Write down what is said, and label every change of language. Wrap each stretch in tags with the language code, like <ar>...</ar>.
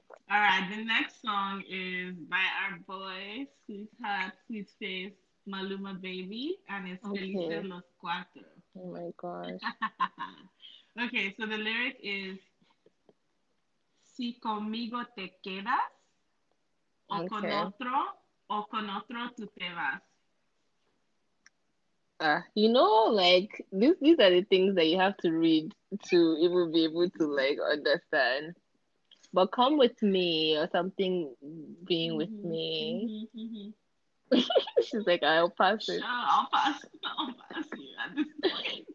<en>All right, the next song is by our boy, Sweetheart, Sweet Face, Maluma Baby, and it's Felices Los Cuatro. Oh my gosh. Okay, so the lyric is,</en> <es>si conmigo te quedas, o con otro, tú te vas.</es> <en>You know, like, these are the things that you have to read to even be able to, like, understand. But come with me or something, being with me. She's like, I'll pass it. I'll pass you at this point.</en>